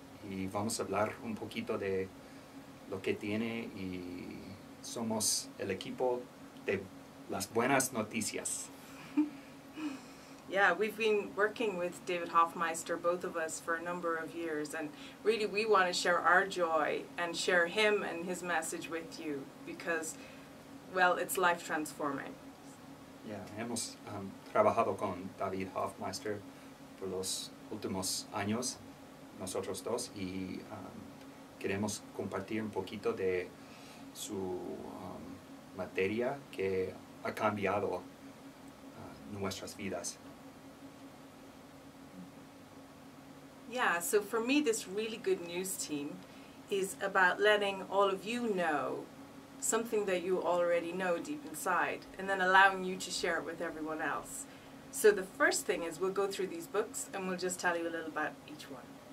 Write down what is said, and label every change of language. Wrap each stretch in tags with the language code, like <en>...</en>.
<es>Y vamos a hablar un poquito de lo que tiene y somos el equipo de las buenas noticias.</es> <en>Yeah, we've been working with David Hoffmeister, both of us, for a number of years, and really we want to share our joy and share him and his message with you because, well, it's life transforming.</en> <es>Yeah, hemos trabajado con David Hoffmeister por los últimos años, nosotros dos, y queremos compartir un poquito de su materia que ha cambiado nuestras vidas.</es> <en>Yeah, so for me, this really good news team is about letting all of you know something that you already know deep inside, and then allowing you to share it with everyone else. So the first thing is we'll go through these books and we'll just tell you a little about each one.</en>